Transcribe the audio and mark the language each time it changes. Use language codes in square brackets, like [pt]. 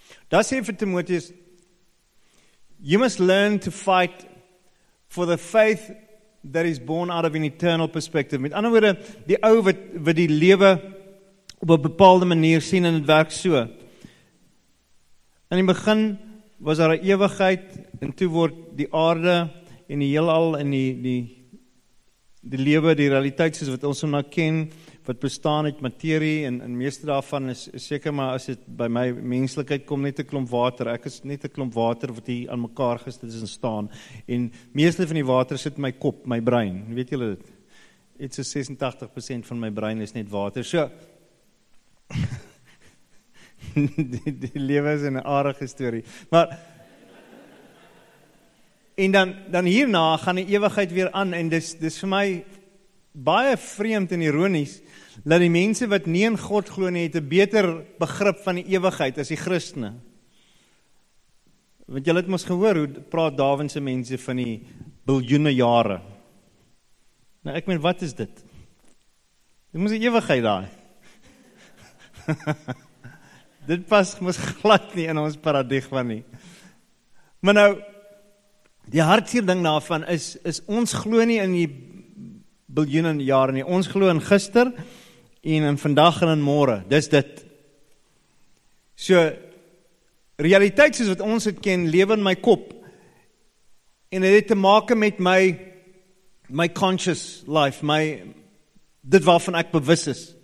[af] Daar sê vir Timoteus, [en] you must learn to fight for the faith that is born out of an eternal perspective. [af] Met ander woorde, die ou wat die lewe op 'n bepaalde manier sien en het werk so. In die begin was daar 'n ewigheid, en toe word die aarde en die heelal en die lewe, die realiteit soos wat ons hom nou ken, wat bestaan uit materie, en meeste daarvan is seker maar as dit by my menslikheid kom net 'n klomp water, ek is net 'n klomp water wat hier aan mekaar gesit is en staan, en meeste van die water sit in my kop, my brein, weet julle dit? Dit is 86% van my brein is net water, so die lewe is 'n aardige storie, maar en dan hierna gaan die ewigheid weer aan, en dis vir my baie vreemd en ironies, dat die mense wat nie in God glo nie, het 'n beter begrip van die ewigheid as die Christene. Want julle het mos gehoor, hoe praat Darwinse mense van die biljoene jare. Nou ek meen, wat is dit? Dit moes die ewigheid daar. Dit pas mos glad nie in ons paradigma nie. Maar nou, die hartseer ding daarvan is ons glo nie in die biljoene jare nie. Ons glo in gister en in vandag en in môre. Dis dit. So realiteit soos wat ons dit ken, lewe in my kop. En dit het te maak met my conscious life, my dit waarvan ek bewus is.